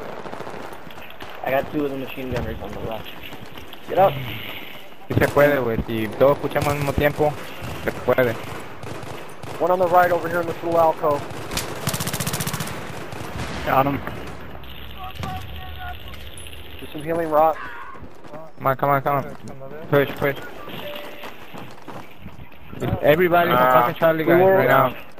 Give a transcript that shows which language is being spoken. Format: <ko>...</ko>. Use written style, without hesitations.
<en>wey. I got two of the machine gunners on the left. Get up!</en> <es>Si se puede, wey. Si todos escuchamos al mismo tiempo, se puede.</es> <en>One on the right over here in this little alcove. Got him. Just some healing rock. Come on, come on, come on. Push, push. Everybody's a fucking Charlie guy right now.</en>